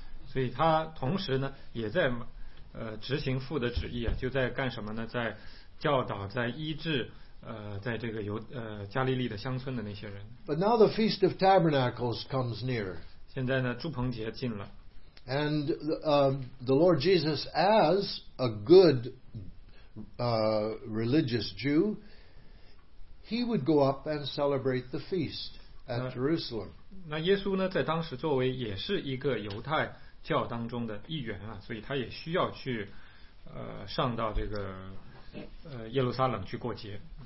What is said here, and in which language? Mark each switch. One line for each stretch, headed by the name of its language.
Chinese: 所以他同时呢，也在执行父的旨意啊，就在干什么呢？在教导，在医治。在这个加利利的乡村的那些人。
English: But now the Feast of Tabernacles comes near.
Chinese: 现在呢，祝棚节近了。
English: And the Lord Jesus, as a good religious Jew, he would go up and celebrate the feast at Jerusalem.
Chinese: 那耶稣呢，在当时作为也是一个犹太教当中的一员啊，所以他也需要去上到这个耶路撒冷去过节。